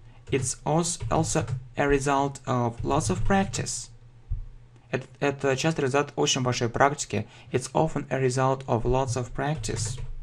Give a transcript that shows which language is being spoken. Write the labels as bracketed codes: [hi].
[en] It's also a result of lots of practice. [ru] Это часто результат очень большой практики. [en] It's often a result of lots of practice.